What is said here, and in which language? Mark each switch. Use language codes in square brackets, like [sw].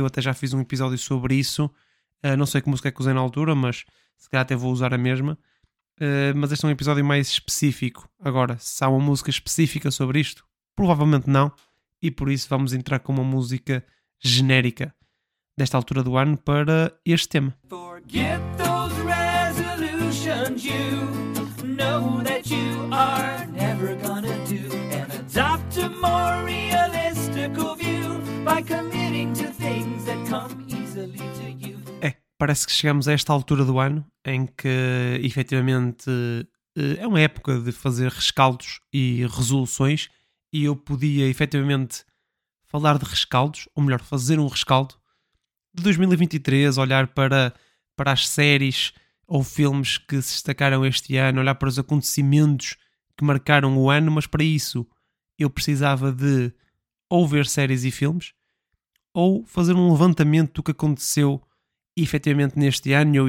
[pt] Eu até já fiz um episódio sobre isso, não sei que música é que usei na altura, mas se calhar até vou usar a mesma. Mas este é um episódio mais específico. Agora, se há uma música específica sobre isto, provavelmente não, e por isso vamos entrar com uma música genérica desta altura do ano para este tema. [en] Forget those resolutions, you know that you are never gonna do, and adopt a more realistic view by committing to things that come easily to you. [pt] Parece que chegamos a esta altura do ano em que, efetivamente, é uma época de fazer rescaldos e resoluções, e eu podia, efetivamente, falar de rescaldos, ou melhor, fazer um rescaldo de 2023, olhar para as séries ou filmes que se destacaram este ano, olhar para os acontecimentos que marcaram o ano, mas para isso eu precisava de ou ver séries e filmes ou fazer um levantamento do que aconteceu e, efetivamente, neste ano.